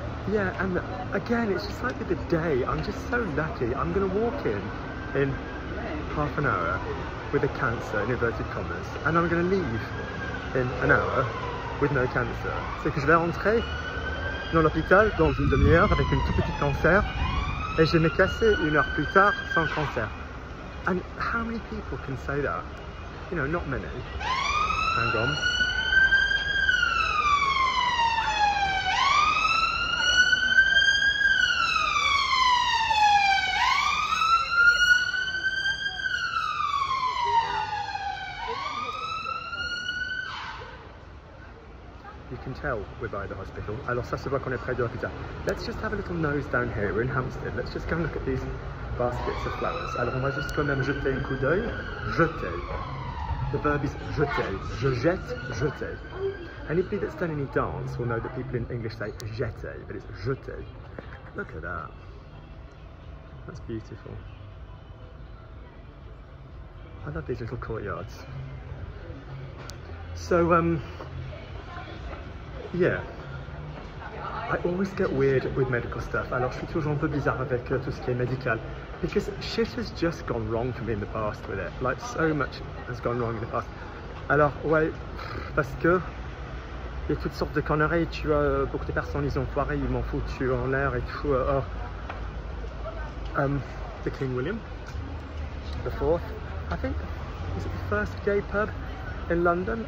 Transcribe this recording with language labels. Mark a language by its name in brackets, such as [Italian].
[English] Yeah, and again, it's just like the day. I'm just so lucky. I'm going to walk in half an hour with a cancer, in inverted commas, and I'm going to leave in an hour with no cancer. [French] C'est que je vais rentrer dans l'hôpital dans une demi-heure avec une toute petite cancer et je vais me casser une heure plus tard sans cancer. [English] And how many people can say that? You know, not many. Hang on. We're by the hospital. [French] Alors ça se voit qu'on est près de l'hôpital. [English] Let's just have a little nose down here. We're in Hampstead. Let's just go and look at these baskets of flowers. [French] Alors on va juste quand même jeter un coup d'œil. [English] Jeter. The verb is jeter. [French] Je jette, [English] jeter. Anybody that's done any dance will know that people in English say jeter, but it's jeter. Look at that. That's beautiful. I love these little courtyards. So, yeah, I always get weird with medical stuff. [French] Alors, je suis toujours un peu bizarre avec tout ce qui est médical. [English] Because shit has just gone wrong for me in the past with it. Like, so much has gone wrong in the past. [French] Alors, ouais, parce que il y a toutes sortes de conneries. Tu vois, beaucoup de personnes, ils ont foiré, ils m'ont foutu en l'air et tout. [English] The King William, the fourth, I think, was it the first gay pub in London?